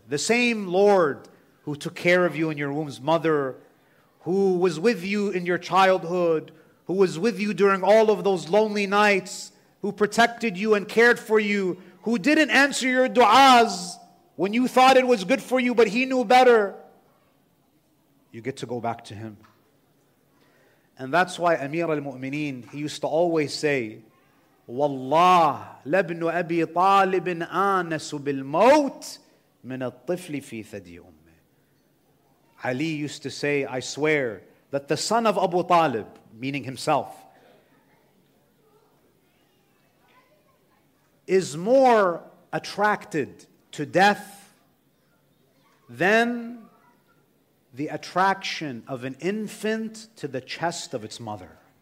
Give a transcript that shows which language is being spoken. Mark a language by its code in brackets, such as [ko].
[en] The same Lord who took care of you in your womb's mother, who was with you in your childhood, who was with you during all of those lonely nights, who protected you and cared for you, who didn't answer your du'as when you thought it was good for you, but He knew better. You get to go back to Him. And that's why Amir al-Mu'mineen, he used to always say, [ar] وَاللَّهِ لَبْنُ أَبِي طَالِبٍ آنَسُ بِالْمَوْتِ مِنَ الطِّفْلِ فِي ثَدِي أُمِّهِ. [en] Ali used to say, I swear that the son of Abu Talib, meaning himself, is more attracted to death than the attraction of an infant to the chest of its mother.